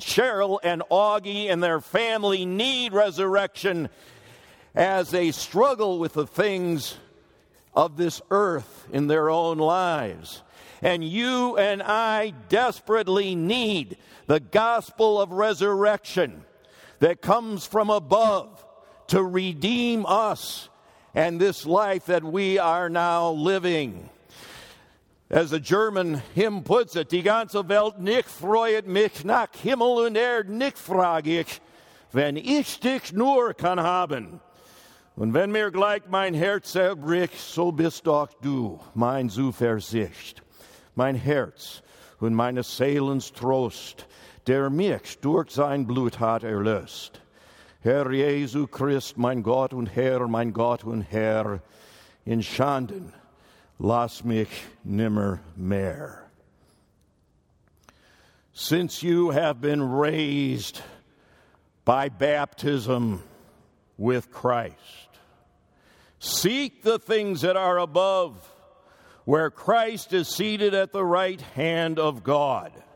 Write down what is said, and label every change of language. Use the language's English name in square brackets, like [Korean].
[English] Cheryl and Augie and their family need resurrection as they struggle with the things of this earth in their own lives. And you and I desperately need the gospel of resurrection that comes from above to redeem us and this life that we are now living. As the German hymn puts it, [German] die ganze Welt nicht freut mich nach Himmel und Erd nicht frag ich, wenn ich dich nur kann haben. Und wenn mir gleich mein Herz erbricht, so bist auch du mein Zuversicht. Mein Herz und meine Seelens Trost, der mich durch sein Blut hat erlöst. Herr Jesu Christ, mein Gott und Herr, in Schanden lass mich nimmer mehr. [English] Since you have been raised by baptism with Christ, seek the things that are above, where Christ is seated at the right hand of God.